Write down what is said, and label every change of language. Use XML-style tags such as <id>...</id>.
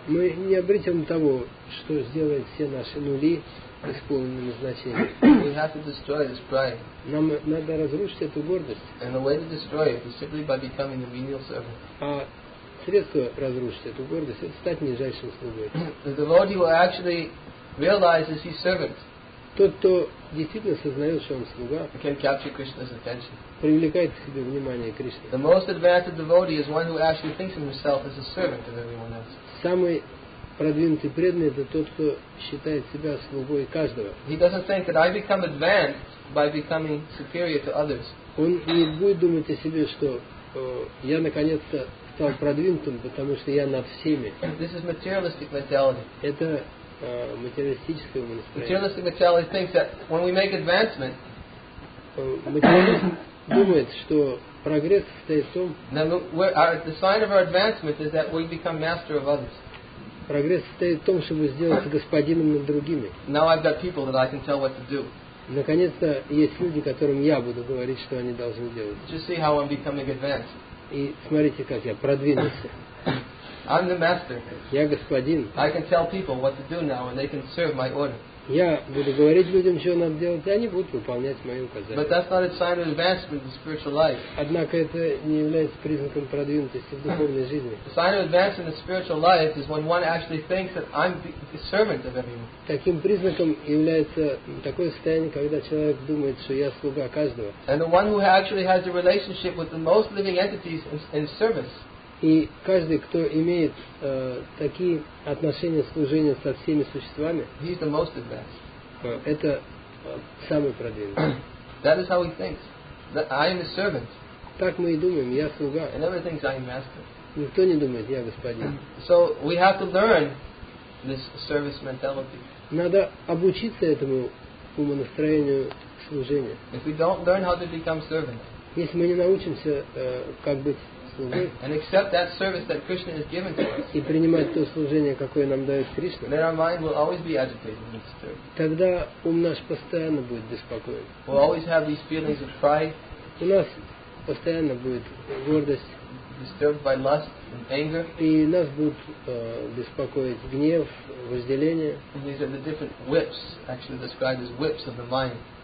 <ru>Мы не обретем того, что сделает все наши нули исполненными значениями.</ru> <en>We have to destroy this pride.</en> <ru>Нам надо разрушить эту гордость.</ru> <en>And the way to destroy it is simply by becoming a menial servant.</en> <ru>Средство разрушить эту гордость — это стать нижайшим слугой.</ru> <en>The devotee will actually realize that he's servant.</en> <ru>Тот, кто действительно сознает, что он слуга,</ru> <en>can capture Krishna's attention.</en> <ru>Привлекает к себе внимание Кришны.</ru> <en>The most advanced devotee is one who actually thinks of himself as a servant of everyone else.</en> <ru>Самый продвинутый преданный — это тот, кто считает себя слугой каждого.</ru> <en>He doesn't think that I become advanced by becoming superior to others.</en> <ru>Он не будет думать о себе, что я наконец-то стал продвинутым, потому что я над всеми.</ru> <en>This is materialistic mentality.</en> <ru>Это материалистическое умонастроение.</ru> <en>Materialistic mentality thinks that when we make advancement,</en> <ru>материалист думает, что прогресс состоит в том,</ru> <en>the sign of our advancement is that we become master of others.</en> <ru>Прогресс состоит в том, чтобы сделаться господином над другими.</ru> <en>Now I've got people that I can tell what to do.</en> <ru>Наконец-то есть люди, которым я буду говорить, что они должны делать.</ru> <en>Just see how I'm becoming advanced.</en> <ru>И смотрите, как я продвинулся.</ru> <en>I'm the master.</en> <ru>Я господин.</ru> <en>I can tell people what to do now, and they can serve my order.</en> <ru>Я буду говорить людям, что надо делать, и они будут выполнять мои указания.</ru> <en>But that's not a sign of advancement in spiritual life.</en> <ru>Однако это не является признаком продвинутости в духовной жизни.</ru> <en>The sign of advancement in spiritual life is when one actually thinks that I'm the servant of everyone.</en> <ru>Таким признаком является такое состояние, когда человек думает, что я слуга каждого.</ru> <en>And the one who actually has a relationship with the most living entities in service.</en> <ru>И каждый, кто имеет такие отношения служения со всеми существами,</ru> <en>he's the most advanced.</en> <ru>Это самый продвинутый.</ru> <en>That is how he thinks. That I am a servant.</en> <ru>Так мы и думаем, я слуга.</ru> <en>And everyone thinks I am master.</en> <ru>Никто не думает, я господин.</ru> <en>So we have to learn this service mentality.</en> <ru>Надо обучиться этому умонастроению служения.</ru> <en>If we don't learn how to become servant,</en> <ru>если мы не научимся как быть</ru> <en>and accept that service that Krishna has given to us,</en> <ru>и принимать то служение, какое нам дает Кришна,</ru> <en>then our mind will always be agitated and disturbed.</en> <ru>Тогда ум наш постоянно будет беспокоен.</ru> <en>We'll always have these feelings of pride.</en> <ru>У нас постоянно будет гордость.</ru> <en>Disturbed by lust and anger.</en> <ru>И нас будут беспокоить гнев, вожделение.</ru> <en>These are the different whips, actually described as whips of the mind.</en>